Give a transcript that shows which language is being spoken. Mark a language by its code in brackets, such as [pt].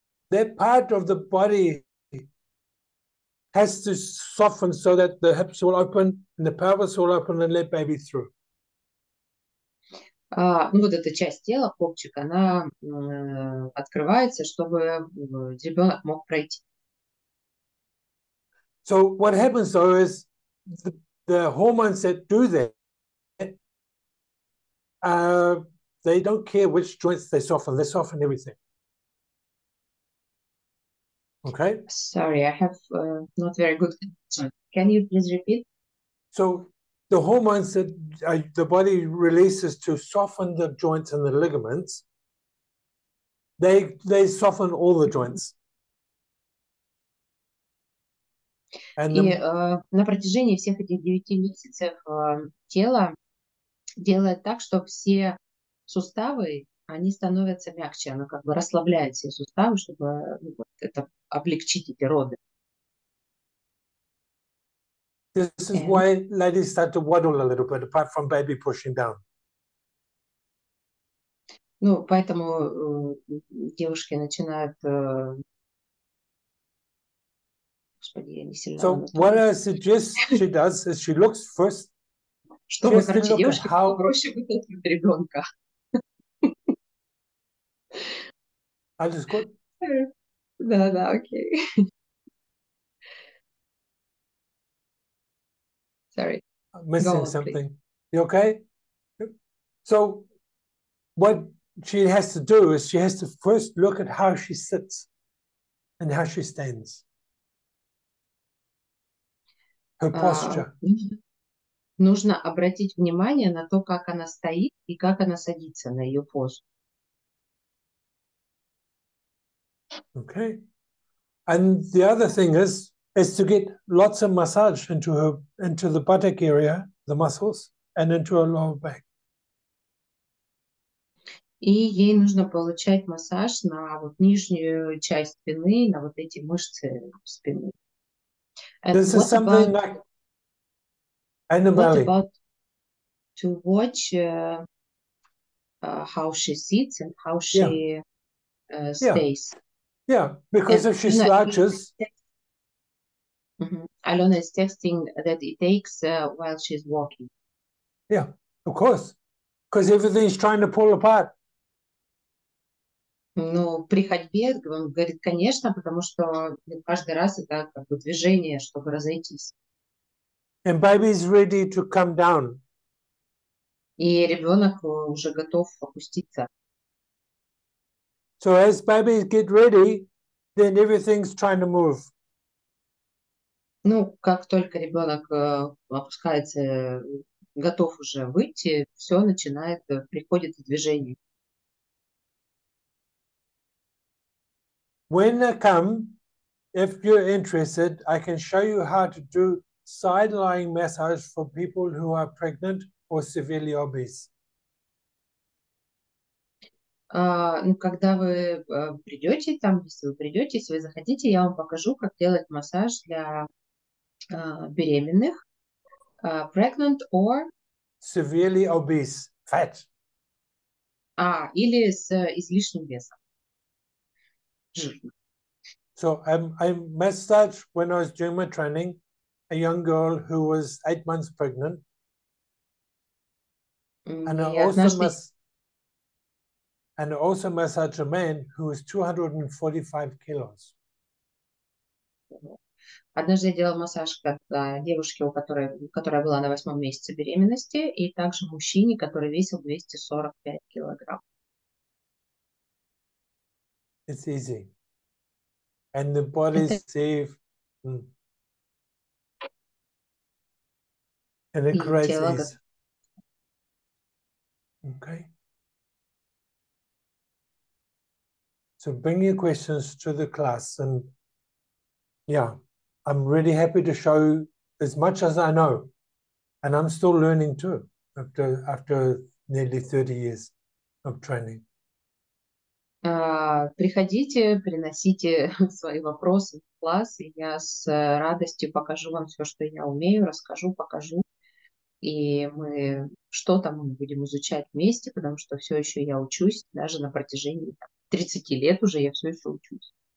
[en] That part of the body has to soften so that the hips will open and the pelvis will open and let baby through. [ru] Ну, вот эта часть тела, копчик, она открывается, чтобы ребенок мог пройти. [en] So what happens though is the hormones that do that, they don't care which joints they soften everything. Okay. Sorry, I have not very good connection. Can you please repeat? So the hormones that the body releases to soften the joints and the ligaments, they soften all the joints. And the... [ru] на протяжении всех этих 9 месяцев тело делает так, что все суставы они становятся мягче, оно как бы расслабляет все суставы, чтобы вот это облегчить эти роды. [en] This is why ladies start to waddle a little bit, apart from baby pushing down. [ru] Ну, поэтому девушки начинают Господи, я не сильно [en] So what I suggest she does is she looks first. [ru] Что мы, короче, девушки попроще вытолкнуть ребенка? [en] I just got. [ru] Да, да, окей. [en] Sorry. I'm missing on, something. Please. You okay? So what she has to do is she has to first look at how she sits and how she stands. Her posture. [ru] Нужно обратить внимание на то, как она стоит и как она садится, на ее позу. [en] Okay. And the other thing is to get lots of massage into her, into the buttock area, the muscles, and into her lower back. [ru] И ей нужно получать массаж на вот нижнюю часть спины, на вот эти мышцы спины. [en] And this is something about, like and the what belly. About to watch how she sits and how she stays? Yeah, because if she slouches, Alona is testing that it takes while she's walking. Yeah, of course, because everything's trying to pull apart. [ru] Ну, при ходьбе, он говорит, конечно, потому что каждый раз это как бы движение, чтобы разойтись. [en] And baby is ready to come down. [ru] И ребенок уже готов опуститься. [en] So as babies get ready, then everything's trying to move. [ru] Ну, как только ребенок опускается, готов уже выйти, все начинает, приходит в движение. [en] When I come, if you're interested, I can show you how to do side lying massage for people who are pregnant or severely obese. [ru] Ну, когда вы придете, там, если вы придете, если вы захотите, я вам покажу, как делать массаж для беременных, [en] pregnant or severely obese, fat. [ru] Или с излишним весом. [en] So I massaged when I was doing my training a young girl who was 8 months pregnant. And I also massaged a man who was 245 kilos. [ru] Однажды я делала массаж девушке, которая была на 8-м месяце беременности, и также мужчине, который весил 245 килограмм. [en] It's easy. And the body is safe. And it creates ease. Okay. So bring your questions to the class. And yeah, I'm really happy to show as much as I know. And I'm still learning too, after nearly 30 years of training. [ru] Приходите, приносите свои вопросы в класс, и я с радостью покажу вам все, что я умею, расскажу, покажу. И мы что-то мы будем изучать вместе, потому что все еще я учусь, даже на протяжении 30 лет уже я все еще учусь.